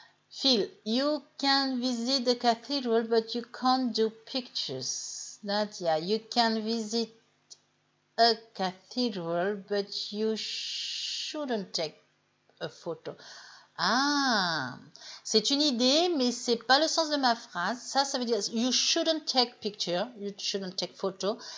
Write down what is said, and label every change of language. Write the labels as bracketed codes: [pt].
[en] Phil, you can visit the cathedral, but you can't do pictures. Nadia, you can visit a cathedral, but you shouldn't take a photo. [fr] Ah, c'est une idée, mais ce n'est pas le sens de ma phrase. Ça veut dire [en] you shouldn't take picture, you shouldn't take photo.